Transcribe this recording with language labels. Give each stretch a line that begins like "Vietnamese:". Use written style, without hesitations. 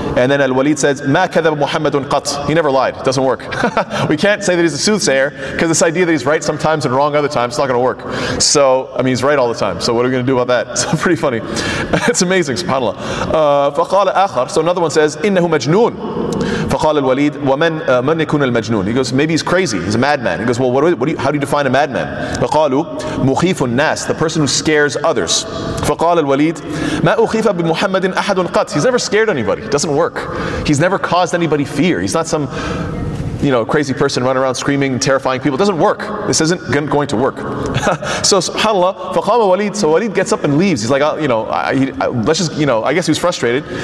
English: And then Al-Walid says,
Arabic: مَا كَذَبْ مُحَمَّدٌ قَطْ,
English: he never lied, it doesn't work. We can't say that he's a soothsayer, because this idea that he's right sometimes and wrong other times, it's not going to work. So, I mean, he's right all the time, so what are we going to do about that? So pretty funny. It's amazing, subhanAllah.
Arabic: فَقَالَ آخَر,
English: so another one says,
Arabic: إِنَّهُ مَجْنُونَ, فقال الوليد ومن من يكون المجنون.
English: He goes, maybe he's crazy, he's a madman. He goes, well, how do you define a madman?
Arabic: فقالوا مخيف الناس,
English: the person who scares others.
Arabic: فقال الوليد ما أخيف بمحمد أحد قط.
English: He's never scared anybody. It doesn't work. He's never caused anybody fear. He's not some, you know, crazy person running around screaming and terrifying people. It doesn't work. This isn't going to work. So subhanAllah,
Arabic: فقام وليد.
English: So Walid gets up and leaves. He's like, you know, let's just, you know, I guess he was frustrated.